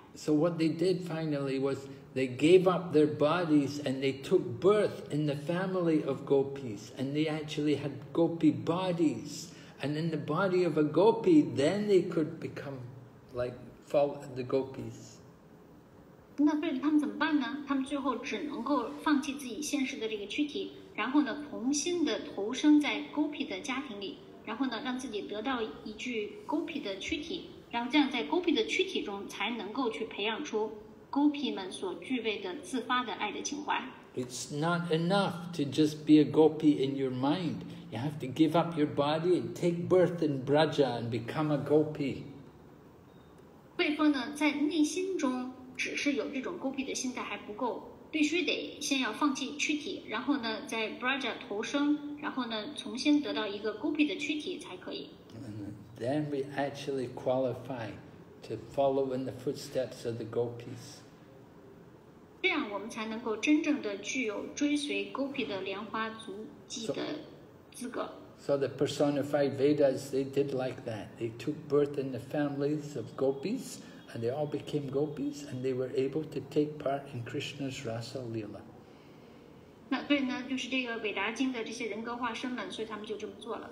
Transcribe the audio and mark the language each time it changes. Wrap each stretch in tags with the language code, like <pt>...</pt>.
<en>So what they did finally was they gave up their bodies and they took birth in the family of gopis, and they actually had gopi bodies. And in the body of a gopi, then they could become like the gopis.</en> <zh>那所以他们怎么办呢？他们最后只能够放弃自己现实的这个躯体，然后呢，重新的投生在 gopi 的家庭里，然后呢，让自己得到一具 gopi 的躯体，然后这样在 gopi 的躯体中才能够去培养出 gopi 们所具备的自发的爱的情怀。</zh> <en>It's not enough to just be a gopi in your mind. You have to give up your body and take birth in Braja and become a gopi.</en> <zh>所以说呢，在内心中只是有这种 gopi 的心态还不够，必须得先要放弃躯体，然后呢，在 Braja 投生，然后呢，重新得到一个 gopi 的躯体才可以。</zh> <en>Then we actually qualify to follow in the footsteps of the gopis.</en> <zh>这样我们才能够真正的具有追随 gopi 的莲花足迹的资格。</zh> <en>So the personified Vedas, they did like that. They took birth in the families of gopis, and they all became gopis, and they were able to take part in Krishna's Rasa Leela.</en> <zh>那对呢，就是这个韦达经的这些人格化身们，所以他们就这么做了。</zh>